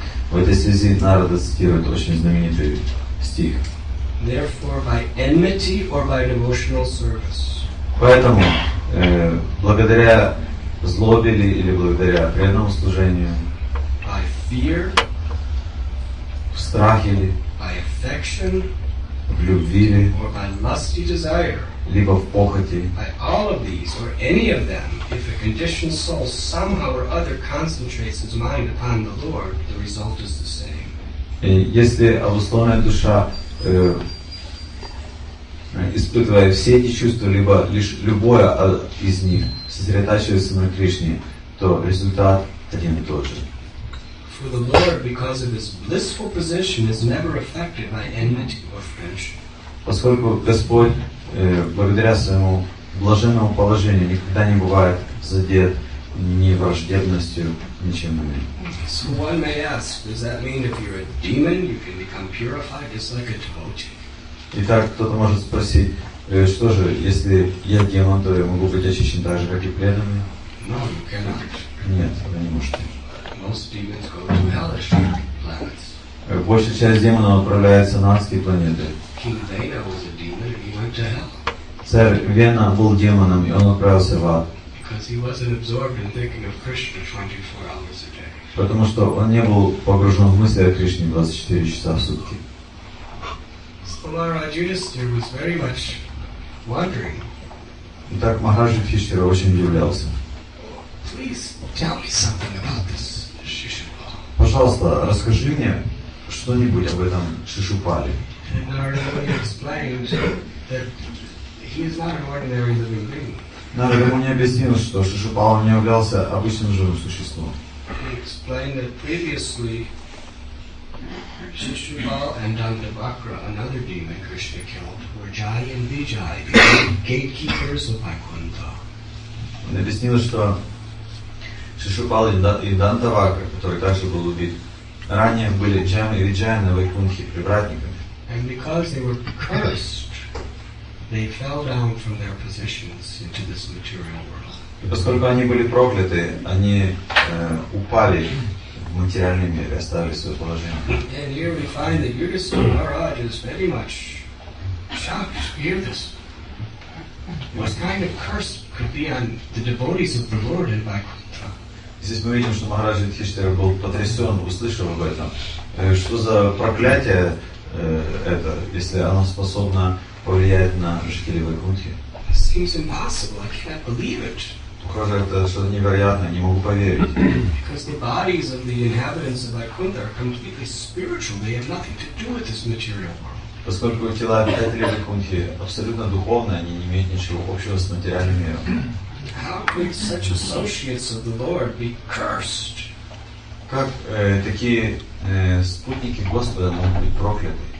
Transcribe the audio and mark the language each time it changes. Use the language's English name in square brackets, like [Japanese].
[Russian] В этой связи Нарада цитирует очень знаменитый стих. [English] Therefore, by enmity or by devotional service. [Russian] Поэтому, благодаря злобе или благодаря преданному служению, [English] by fear, [Russian] в страхе ли, [English] by affection, [Russian] в любви ли, [English] or by lusty desire, [Russian] либо в похоти, [English] by all of these or any of them, if a conditioned soul somehow or other concentrates its mind upon the Lord, the result is the same. [Russian] Если обусловленная душа испытывая все эти чувства, либо лишь любое из них, сосредотачиваясь на Кришне, то результат один и тот же. [English] For the Lord, because of his blissful position, is never affected by enmity or friendship. [Russian] Поскольку Господь, благодаря своему блаженному положению, никогда не бывает задет ни враждебностью, ничем иным. [English] So one may ask, does that mean if you're a demon, you can become purified just like a devotee? [Russian] Итак, кто-то может спросить, что же, если я демон, то я могу быть очищен так же, как и преданный? [English] No, you cannot. [Russian] Нет, вы не можете. [English] Most demons go to hellish planets. [Russian] Большая часть демонов отправляется на адские планеты. [English] King Vena was a demon and he went to hell. [Russian] Царь Вена был демоном, и он отправился в ад. [English] Because he wasn't absorbed in thinking of Krishna 24 hours a day. [Russian] Потому что он не был погружен в мысли о Кришне 24 часа в сутки. [English] Maharaj Yudhisthira was very much wondering. [Russian] Итак, Махарадж Юдхиштхира очень удивлялся. [English] Please tell me something about this Шишупала. [Russian] Пожалуйста, расскажи мне что-нибудь об этом Шишупале. [English] And Narada Muni explained that he is not an ordinary living being. [Russian] Narada Muni объяснил, что Шишупала не являлся обычным живым существом. [English] He explained that previously Shishupal and Dandavakra, another demon Krishna killed, were Jai and Vijay, the gatekeepers of Vaikuntha. [Russian] Он объяснил, что Шишупал и Дандавакра, который также был убит, ранее были Джам и Виджай на Вайкунхе, привратниками. [English] And because they were cursed, they fell down from their positions into this material world. [Russian] И поскольку они были прокляты, они упали в материальном мире, оставили свое положение. [English] And here we find that Yudhisthira Maharaj is very much shocked to hear this. What kind of curse could be on the devotees of the Lord in Vaikuntha? [Russian] Здесь мы видим, что Махарадж Юдхиштхира был потрясен, услышав об этом. Что за проклятие это, если оно способно повлиять на жителей Вайкунтхи? [English] It seems impossible. I can't believe it. [Russian] Похоже, это что-то невероятное, не могу поверить. [English] Because the bodies of the inhabitants of Vaikuntha are completely spiritual, they have nothing to do with this material world. [Russian] Поскольку тела обитателей Вайкунтхи абсолютно духовные, они не имеют ничего общего с материальным миром. [English] How could such associates of the Lord be cursed? [Russian] Как такие спутники Господа могут быть прокляты?